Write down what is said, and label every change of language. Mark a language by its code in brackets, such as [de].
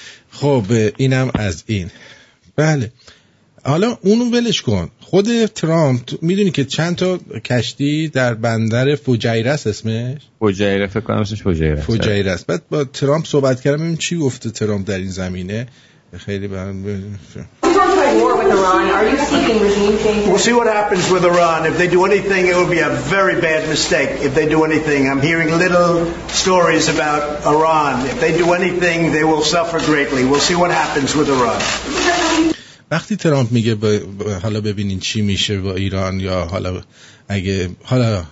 [fa] خب اینم از این. بله حالا اونو ولش کن. خود ترامپ میدونی که چند تا کشتی در بندر فجیره است اسمش؟ فجیره فکر کنم اسمش فجیره. فجیره است. بعد با ترامپ صحبت کردم ببین چی گفته ترامپ در این زمینه. خیلی با هم [en] We'll see what happens with Iran. If they do anything, it will be a very bad mistake. If they do anything, I'm hearing little stories about Iran. If they do anything, they will suffer greatly. We'll see what happens with Iran. [fa] وقتی ترامپ میگه حالا ببینین چی میشه با ایران یا حالا اگه حالا